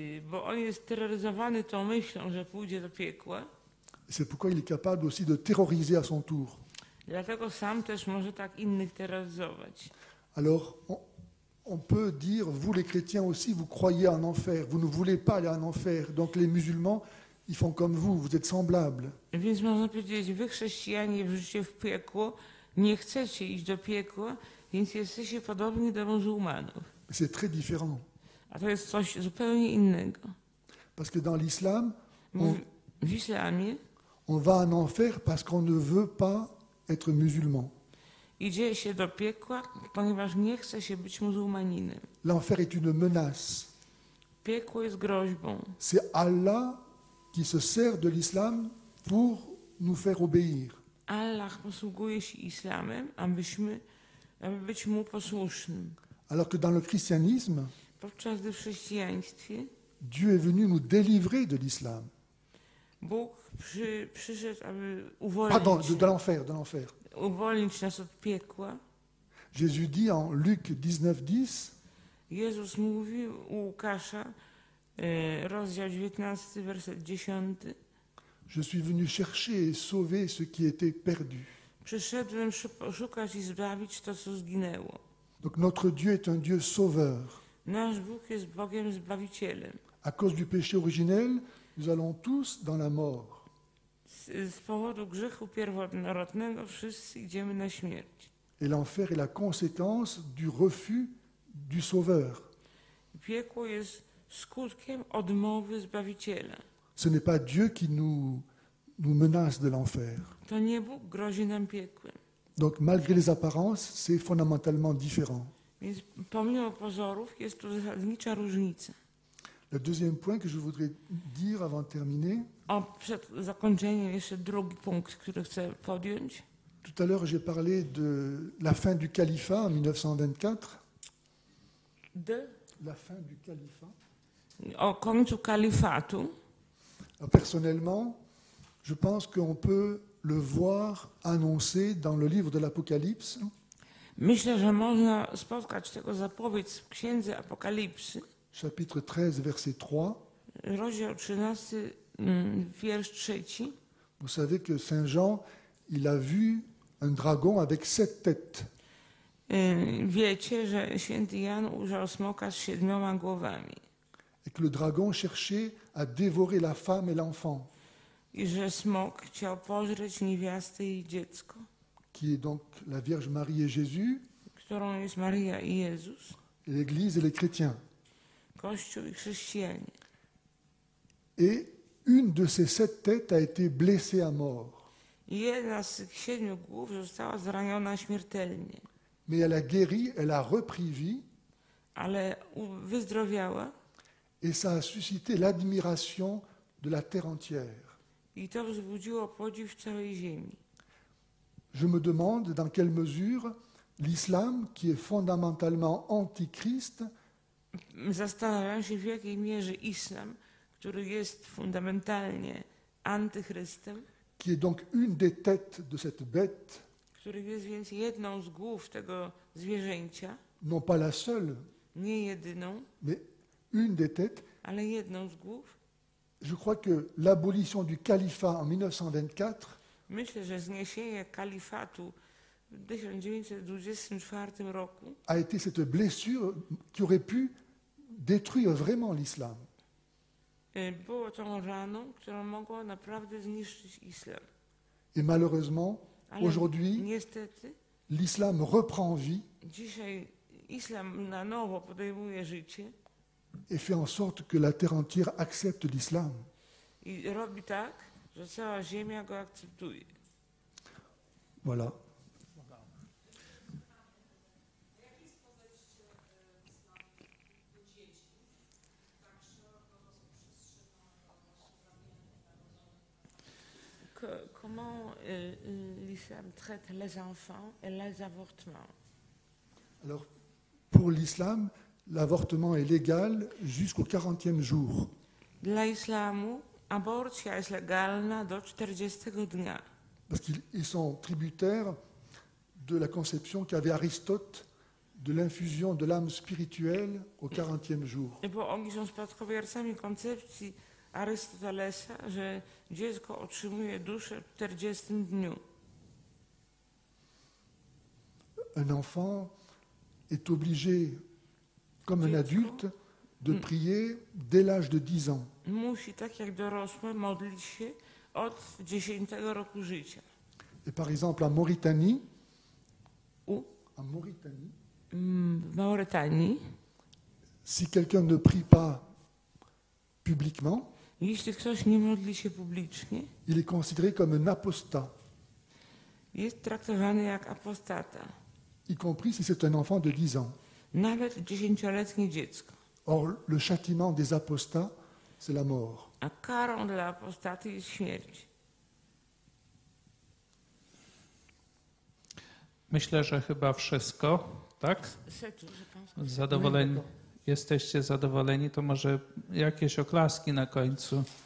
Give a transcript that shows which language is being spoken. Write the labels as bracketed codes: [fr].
[pl] Bo on jest terroryzowany tą myślą, że pójdzie do piekła. [fr] C'est pourquoi il est capable aussi de terroriser à son tour. [pl] Dlatego sam też może tak innych terroryzować. [fr] Alors, on peut dire, vous les chrétiens aussi, vous croyez en enfer, vous ne voulez pas aller en enfer, donc les musulmans... Ils font comme vous, vous êtes semblables. [pl] Więc można powiedzieć, wy chrześcijanie wrzucicie w piekło, nie chcecie iść do piekła, więc jesteście podobni do muzułmanów. [fr] C'est très différent. [pl] A to jest coś zupełnie innego. [fr] Parce que dans l'islam, [pl] w islamie, [fr] On va en enfer parce qu'on ne veut pas être musulman. [pl] Idzie się do piekła, ponieważ nie chce się być muzułmaninem. [fr] L'enfer est une menace. [pl] Piekło jest groźbą. [fr] C'est Allah qui se sert de l'islam pour nous faire obéir. [pl] Allah posługuje się islamem, abyśmy, aby być mu posłusznym. [fr] Alors que dans le christianisme, [pl] podczas gdy w chrześcijaństwie, [fr] Dieu est venu nous délivrer de l'islam. [pl] Bóg przyszedł, aby uwolnić. [fr] Pardon, de l'enfer, de l'enfer. [pl] Uwolnić nas od piekła. [fr] Jésus dit en Luc 19:10. [pl] Jezus mówi u Łukasza, rozdział 19, werset 10. [fr] Je suis venu chercher et sauver ce qui était perdu. [pl] Przyszedłem szukać i zbawić to, co zginęło. [fr] Donc notre Dieu est un Dieu sauveur. [pl] Nasz Bóg jest Bogiem Zbawicielem. [fr] À cause du péché originel, nous allons tous dans la mort. [pl] Z powodu grzechu pierwotnego wszyscy idziemy na śmierć. [fr] Et l'enfer est la conséquence du refus du sauveur. [pl] Piekło jest skutkiem odmowy Zbawiciela. [fr] Ce n'est pas Dieu qui nous menace de l'enfer. [pl] To nie Bóg grozi nam piekłem. [fr] Donc malgré les apparences, c'est fondamentalement différent. [pl] Więc pomimo pozorów jest tu zasadnicza różnica. [fr] Le deuxième point que je voudrais dire avant de terminer. [pl] A przed zakończeniem jeszcze drugi punkt, który chcę podjąć. [fr] Tout à l'heure, j'ai parlé de la fin du califat en 1924. De? La fin du califat. [pl] O końcu kalifatu. [fr] Personnellement, je pense qu'on peut le voir annoncé dans le livre de l'Apocalypse. [pl] Myślę, że można spotkać tego zapowiedź w Księdze Apokalipsy. [fr] Chapitre 13, verset 3. [pl] Rozdział 13, wiersz 3. [fr] Vous savez que Saint Jean, il a vu un dragon avec sept têtes. [pl] Wiecie, że Święty Jan ujrzał smoka z siedmioma głowami. [fr] Et que le dragon cherchait à dévorer la femme et l'enfant. [pl] I że smok chciał pożreć niewiastę i dziecko. [fr] Qui est donc la Vierge Marie et Jésus. [pl] Którą jest Maria i Jezus. [fr] Et l'Église et les chrétiens. [pl] Kościół i chrześcijanie. [fr] Et une de ces sept têtes a été blessée à mort. [pl] Jedna z tych siedmiu głów została zraniona śmiertelnie. [fr] Mais elle a guéri, elle a repris vie. [pl] Ale wyzdrowiała. [fr] Et ça a suscité l'admiration de la terre entière. [pl] I to wzbudziło podziw całej ziemi. [fr] Je me demande dans quelle mesure l'islam, qui est fondamentalement antichrist, [pl] zastanawiam się, w jakiej mierze islam, który jest fundamentalnie antychrystem, [fr] qui est donc une des têtes de cette bête, [pl] który jest więc jedną z głów tego zwierzęcia, [fr] non pas la seule, [pl] nie jedyną, [fr] mais une des têtes, [pl] ale jedną z głów. [fr] Je crois que l'abolition du califat en 1924, [pl] myślę, że zniesienie kalifatu w 1924 roku [fr] a été cette blessure qui aurait pu détruire vraiment l'islam. [pl] Było tą raną, która mogła naprawdę zniszczyć islam. [fr] Et malheureusement, [pl] ale [fr] aujourd'hui, [pl] niestety, [fr] l'islam reprend vie. [pl] Dzisiaj islam na nowo podejmuje życie. [fr] Et fait en sorte que la terre entière accepte l'islam. [pl] I robi tak, że cała ziemia go akceptuje. [fr] Voilà. Comment l'islam traite les enfants et les avortements? Alors, pour l'islam, l'avortement est légal jusqu'au 40e jour. [pl] Dla islamu, aborcja jest legalna do 40 dnia. [fr] Parce qu'ils sont tributaires de la conception qu'avait Aristote de l'infusion de l'âme spirituelle au 40e jour. [pl] Et bo oni są spadkobiercami koncepcji Arystotelesa, że dziecko otrzymuje duszę w 40 dniu. [fr] Un enfant est obligé comme un adulte de prier dès l'âge de 10 ans. [pl] Musi tak jak dorosły modlić się od 10 roku życia. [fr] Et par exemple en Mauritanie ou en Mauritanie, Mauritanie, si quelqu'un ne prie pas publiquement, [pl] Jeśli ktoś nie modli się publicznie, [fr] il est considéré comme un apostat. [pl] Jest traktowany jak apostata. [fr] Y compris si c'est un enfant de 10 ans. [pl] Nawet 10-letnie dziecko. [fr] Or, le châtiment des apostats, c'est la mort. [pl] A karą dla apostaty jest śmierć. Myślę, że chyba wszystko, tak? Zadowoleni, jesteście zadowoleni, to może jakieś oklaski na końcu.